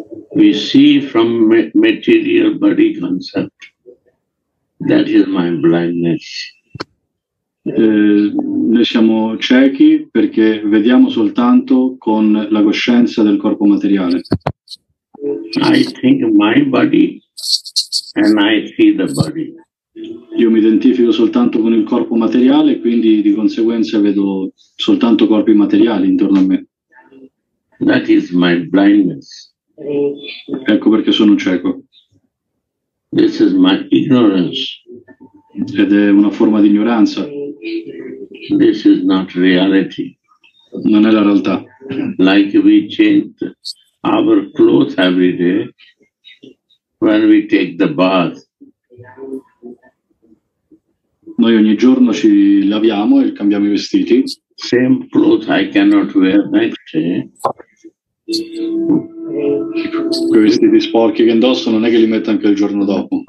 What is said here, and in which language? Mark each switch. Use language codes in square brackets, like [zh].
[en] We see from material body concept. That is my blindness. [it] Noi siamo ciechi perché vediamo soltanto con la coscienza del corpo materiale. [en] I think my body and I see the body. [it] Io mi identifico soltanto con il corpo materiale, quindi di conseguenza vedo soltanto corpi materiali intorno a me. [en] That is my blindness. [it] Ecco perché sono cieco. [en] This is my ignorance. [it] Ed è una forma di ignoranza. [en] This is not reality. [it] Non è la realtà. [en] Like we change our clothes every day when we take the bath. [it] Noi ogni giorno ci laviamo e cambiamo i vestiti. [en] Same clothes I cannot wear next day. [it] Quei vestiti sporchi che indosso non è che li metto anche il giorno dopo.